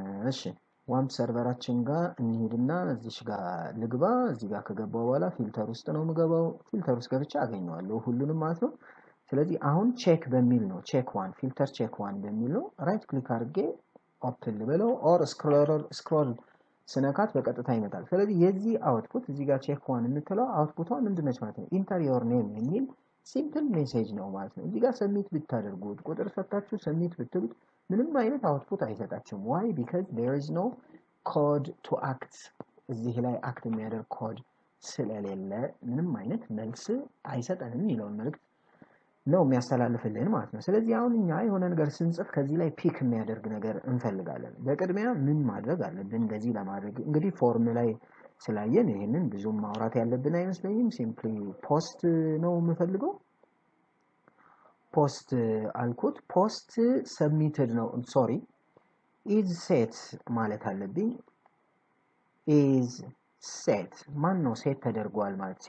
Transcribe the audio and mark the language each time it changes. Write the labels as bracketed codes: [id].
[am] እሺ ዋምፕ ሰርቨራችን ጋር እንሂድ እና እዚሽ ጋር ልግባ። እዚህ ጋር ከገባው በኋላ ፊልተር ውስጥ ነው የምገባው። ፊልተር ውስጥ ገብቼ አገኘዋለሁ ሁሉንም ማለት ነው። ስለዚህ አሁን ቼክ በሚል ነው ቼክ ዋን፣ ፊልተር ቼክ ዋን በሚል ነው። ራይት ክሊክ አድርጌ ኦፕን ልበለው ኦር ስክሮል ስነካት በቀጥታ ይመጣል። ስለዚህ የዚህ አውትፑት እዚህ ጋር ቼክ ዋን የምትለው አውትፑቷ ምንድነች ማለት ነው። ኢንተር ዮር ኔም የሚል simple message ነው ማለት ነው። እዚህ ጋር submit ብታደርጉት ቁጥር ሰጣችሁ submit ብትሉት ምንም አይነት output አይሰጣችሁም። [en] Why? Because there is no code to act. [am] እዚህ ላይ act የሚያደርግ code ስለሌለ ምንም አይነት መልስ አይሰጠንም ይለውን መልክ ነው የሚያስተላልፍልን ማለት ነው። ስለዚህ አሁን እኛ የሆነ ነገር ስንጽፍ ከዚህ ላይ ፒክ የሚያደርግ ነገር እንፈልጋለን። በቅድሚያ ምን ማድረግ አለብን? እንደዚህ ለማድረግ እንግዲህ ፎርም ላይ ስላየን ይሄንን ብዙም ማውራት ያለብን አይመስለኝም። ሲምፕሊ ፖስት ነው የምፈልገው። ፖስት አልኩት። ፖስት ሰብሚትድ ነው ሶሪ ኢዝ ሴት ማለት አለብኝ። ኢዝ ሴት ማን ነው ሴት ተደርጓል ማለት?